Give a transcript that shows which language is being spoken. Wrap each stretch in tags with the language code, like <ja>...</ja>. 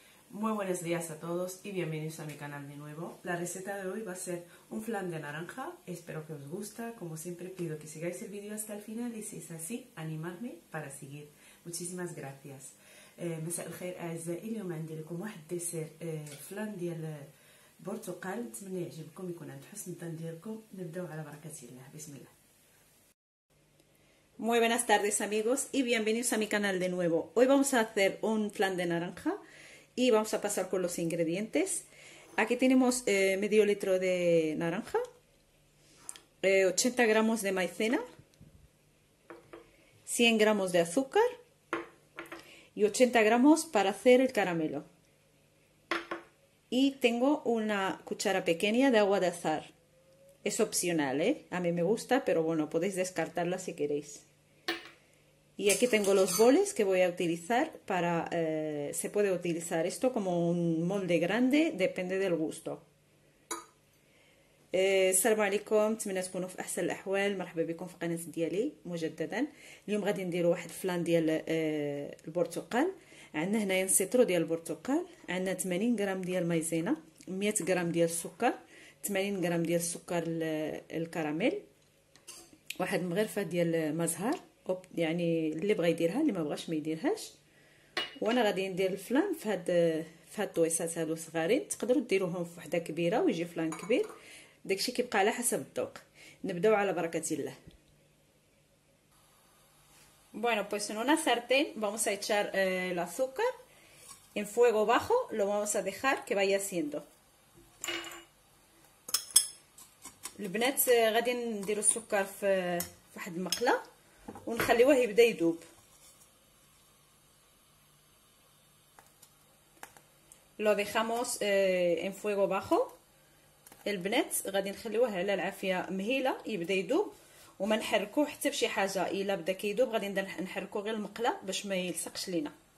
<es>Muy buenos días a todos y bienvenidos a mi canal de nuevo. La receta de hoy va a ser un flan de naranja, espero que os guste. Como siempre pido que sigáis el vídeo hasta el final y si es así, animadme para seguir. Muchísimas gracias.</es> <ar>مساء الخير أعزائي, اليوم عندي لكم واحد ديسير فلان ديال برتقال, نتمنى يعجبكم يكون عند حسن الظن ديالكم. نبداو على بركة الله, بسم الله.</ar> <es>Muy buenas tardes amigos y bienvenidos a mi canal de nuevo. Hoy vamos a hacer un flan de naranja y vamos a pasar con los ingredientes. Aquí tenemos medio litro de naranja, 80 gramos de maicena, 100 gramos de azúcar y 80 gramos para hacer el caramelo. Y tengo una cuchara pequeña de agua de azahar. Es opcional, ¿eh? A mí me gusta, pero bueno, podéis descartarla si queréis. Y aquí tengo los boles que voy a utilizar para... se puede utilizar esto como un molde grande, depende del gusto.</es> <ar>السلام عليكم, نتمنى تكونوا في احسن الاحوال. مرحبا بكم في قناه ديالي مجددا. اليوم غادي نديروا واحد فلان ديال البرتقال. عندنا هنايا سيترو ديال البرتقال, عندنا 80 غرام ديال مايزينا, 100 غرام ديال السكر, 80 غرام ديال السكر الكراميل, واحد مغرفه ديال ما زهر, يعني اللي بغى يديرها, اللي ما بغاش ما يديرهاش. وانا غادي ندير الفلان في هاد الطويسات هادو صغارين, تقدروا ديروهم في وحده كبيره ويجي فلان كبير, داكشي كيبقى على حسب الذوق. نبداو على بركة الله.</ar> <es>Bueno, pues en una sartén vamos a echar el azúcar en fuego bajo, lo vamos a dejar que vaya haciendo.</es> <ar>البنات غادي نديرو السكر في واحد المقلة ونخليوه يبدا يدوب.</ar> <es>Lo dejamos en fuego bajo.</es> <ar>البنات غادي نخليوه على العافيه مهيله يبدا يدوب وما نحركو حتى بشي حاجه. الا بدا كيدوب غادي نحركو غير المقله باش ما يلصقش لينا.</ar>